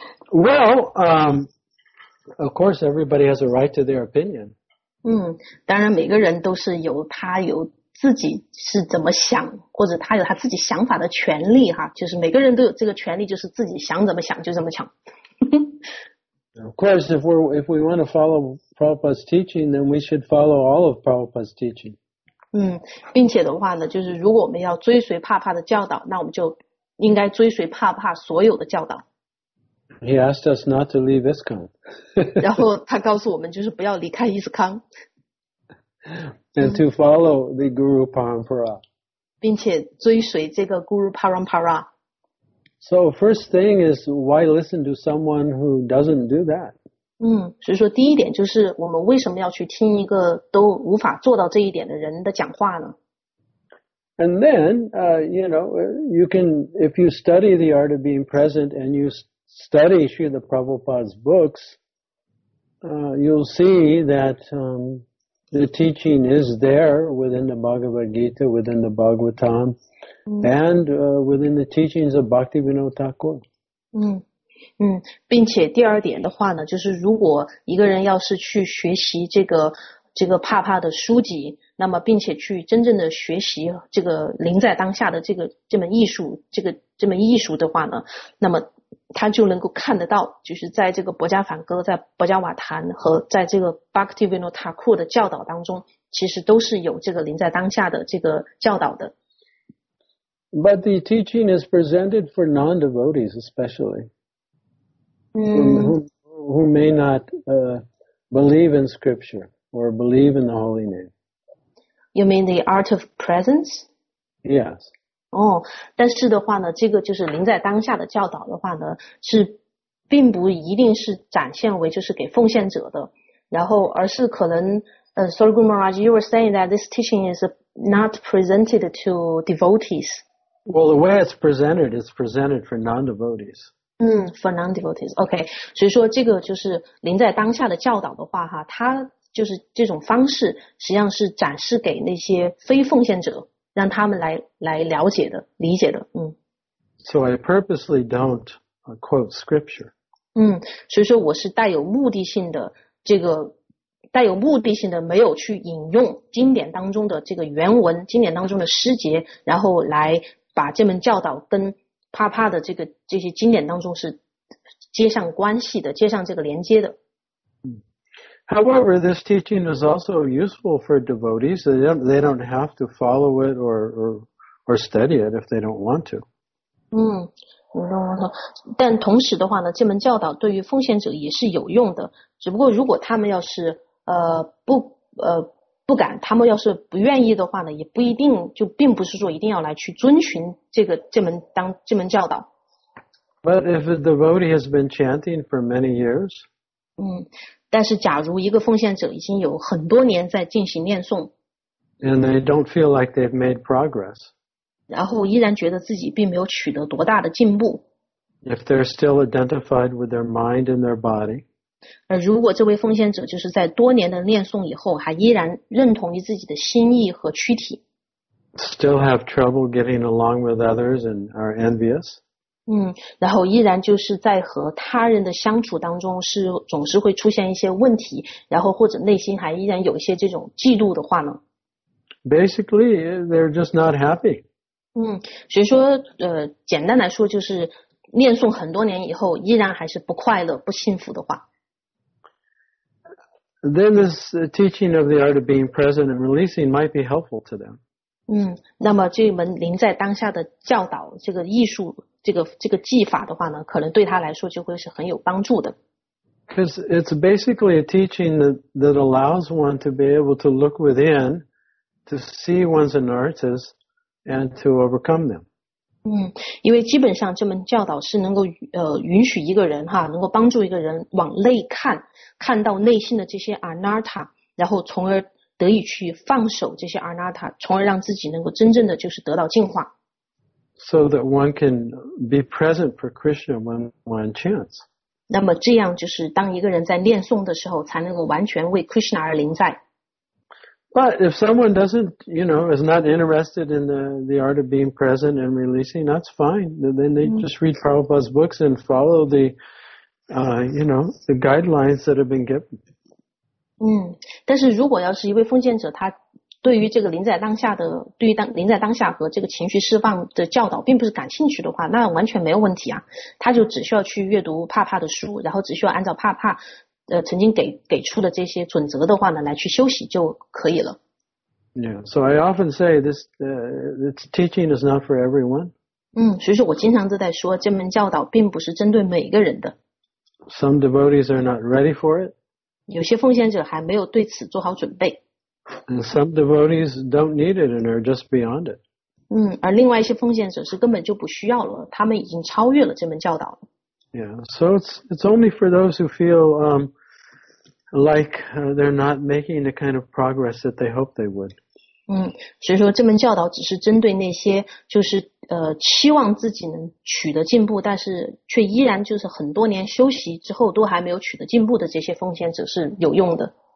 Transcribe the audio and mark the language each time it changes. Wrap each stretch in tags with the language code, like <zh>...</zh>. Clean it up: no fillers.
<en>Well, of course, everybody has a right to their opinion.</en> <zh>当然每个人都是有他有自己是怎么想，或者他有他自己想法的权利哈，就是每个人都有这个权利，就是自己想怎么想就怎么想。</zh> <en>Of course, if we want to follow Prabhupada's teaching, then we should follow all of Prabhupada's teaching.</en> <zh>并且的话呢，就是如果我们要追随帕帕的教导，那我们就应该追随帕帕所有的教导。</zh> <en>He asked us not to leave ISKCON.</en> <zh>然后他告诉我们，就是不要离开伊斯康。</zh> <en>And to follow the Guru Parampara.</en> <zh>并且追随这个 Guru Parampara.</zh> <en>So first thing is, why listen to someone who doesn't do that?</en> <zh>所以说第一点就是我们为什么要去听一个都无法做到这一点的人的讲话呢？</zh> <en>And then, you can, if you study the art of being present and you study Srila Prabhupada's books, you'll see that, The teaching is there within the Bhagavad Gita, within the Bhagavatam, and within the teachings of Bhaktivinoda Thakur.</en> <zh>并且第二点的话呢，就是如果一个人要是去学习这个帕帕的书籍，那么并且去真正的学习这个临在当下的这门艺术，这门艺术的话呢，那么他就能够看得到，就是在这个博加梵歌、在博加瓦坛和在这个 Bhaktivinoda Thakur 的教导当中，其实都是有这个临在当下的这个教导的。</zh> <en>But the teaching is presented for non-devotees, especially who may not believe in scripture or believe in the holy name. You mean the art of presence? Yes.</en> <zh>哦，但是的话呢，这个就是临在当下的教导的话呢，是并不一定是展现为就是给奉献者的，然后而是可能</zh> <en>Sri Guru Maharaj, you were saying that this teaching is not presented to devotees. Well, the way it's presented for non-devotees. For non-devotees.</en> <zh>Okay, 所以说这个就是临在当下的教导的话哈，它就是这种方式实际上是展示给那些非奉献者。让他们来了解的理解的</zh> <en>So I purposely don't quote scripture.</en> <zh>所以说我是带有目的性的这个带有目的性的没有去引用经典当中的这个原文经典当中的诗节然后来把这门教导跟帕帕的这些经典当中是接上关系的接上这个连接的。</zh> <en>However, this teaching is also useful for devotees. They don't have to follow it or study it if they don't want to.</en> <zh>但同时的话呢，这门教导对于奉献者也是有用的。只不过如果他们要是不敢，他们要是不愿意的话呢，也不一定就并不是说一定要来去遵循这门教导。</zh> <en>But if a devotee has been chanting for many years,</en> <zh>但是假如一个奉献者已经有很多年在进行念诵</zh> <en>and they don't feel like they've made progress,</en> <zh>然后依然觉得自己并没有取得多大的进步</zh> <en>if they're still identified with their mind and their body,</en> <zh>而如果这位奉献者就是在多年的念诵以后还依然认同于自己的心意和躯体</zh> <en>still have trouble getting along with others and are envious,</en> <zh>然后依然就是在和他人的相处当中是总是会出现一些问题然后或者内心还依然有一些这种嫉妒的话呢</zh> <en>Basically, they're just not happy.</en> <zh>所以说简单来说就是念诵很多年以后依然还是不快乐不幸福的话。</zh> <en>Then this teaching of the art of being present and releasing might be helpful to them.</en> <zh>那么这门临在当下的教导这个艺术这个技法的话呢可能对他来说就会是很有帮助的。</zh> <en>Because it's basically a teaching that allows one to be able to look within, to see one's inertias, and to overcome them.</en> <zh>因为基本上这门教导是能够允许一个人哈能够帮助一个人往内看看到内心的这些 anatta, 然后从而得以去放手这些 anatta, 从而让自己能够真正的就是得到净化。</zh> <en>So that one can be present for Krishna when one chants.</en> <zh>那么这样就是当一个人在念诵的时候才能够完全为 Krishna 而临在。</zh> <en>But if someone doesn't, you know, is not interested in the art of being present and releasing, that's fine. Then they just read Prabhupada's books and follow the, you know, the guidelines that have been given.</en> <zh>但是如果要是一位奉献者他对于这个临在当下的对于临在当下和这个情绪释放的教导并不是感兴趣的话那完全没有问题啊他就只需要去阅读帕帕的书然后只需要按照帕帕曾经给出的这些准则的话呢来去休息就可以了。</zh> <en>Yeah, so I often say this, this teaching is not for everyone.</en> <zh>所以说我经常都在说这门教导并不是针对每个人的。</zh> <en>Some devotees are not ready for it.</en> <zh>有些奉献者还没有对此做好准备。</zh> <en>And some devotees don't need it and are just beyond it.</en> <zh>而另外一些奉献者是根本就不需要了，他们已经超越了这门教导。</zh> <en>Yeah, so it's only for those who feel like they're not making the kind of progress that they hope they would.</en> <zh>所以说这门教导只是针对那些就是期望自己能取得进步但是却依然就是很多年休息之后都还没有取得进步的这些奉献者是有用的。</zh>